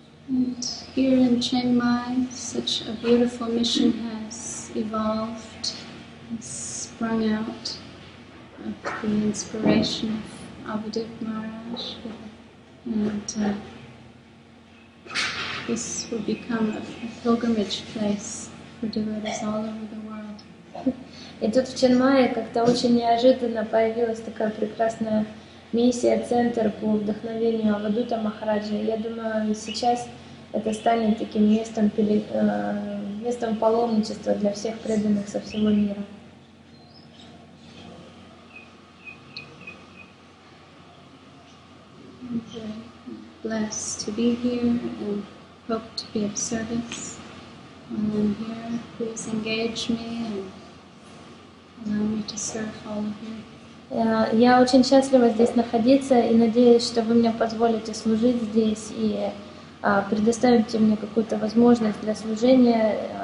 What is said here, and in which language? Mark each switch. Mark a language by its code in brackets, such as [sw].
[en] And here in Chiang Mai, such a beautiful mission has evolved, has sprung out of the inspiration of Avadhut Maharaj. And this will become a pilgrimage place for devotees all over the world. [ru] И тут в Чанмае как-то очень неожиданно появилась такая прекрасная миссия, центр по вдохновению Авадута Махараджи. Я думаю, сейчас это станет таким местом паломничества для всех преданных со всего мира. [en] Blessed to be here and hope to be of service. When I'm here, please engage me and allow me to serve all of you. [ru] Я очень счастлива здесь находиться и надеюсь, что вы мне позволите служить здесь и предоставите мне какую-то возможность для служения.